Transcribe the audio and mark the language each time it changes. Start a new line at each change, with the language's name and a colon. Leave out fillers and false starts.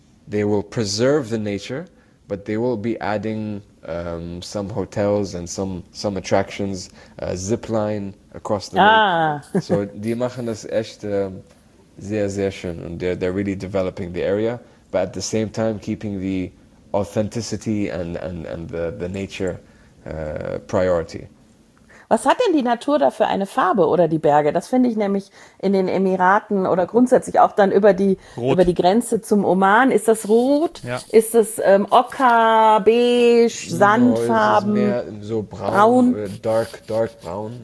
English: They will preserve the nature, but they will be adding some hotels and some attractions, zipline across the lake.
German: So die machen das echt sehr, sehr schön.
English: Und they're really developing the area, but at the same time keeping the authenticity and the nature priority.
German: Was hat denn die Natur da für eine Farbe oder die Berge? Das finde ich nämlich in den Emiraten oder grundsätzlich auch dann über die Grenze zum Oman. Ist das rot? Ja. Ist es Ocker, beige, Sandfarben? No, ist es mehr so braun? Dark braun.